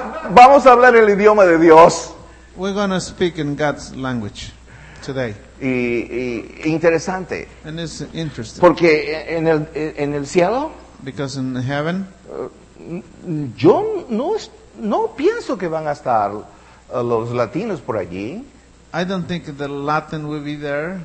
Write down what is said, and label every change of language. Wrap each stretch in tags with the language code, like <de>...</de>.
<es>Vamos a hablar el idioma de Dios.</es> <en>We're going to speak in God's language today.</en> <es>Y interesante.</es> <en>And it's interesting.</en> <es>Porque en el cielo.</es> <en>Because in heaven.</en> <es>Yo no pienso que van a estar los latinos por allí.</es> <en>I don't think the Latin will be there.</en>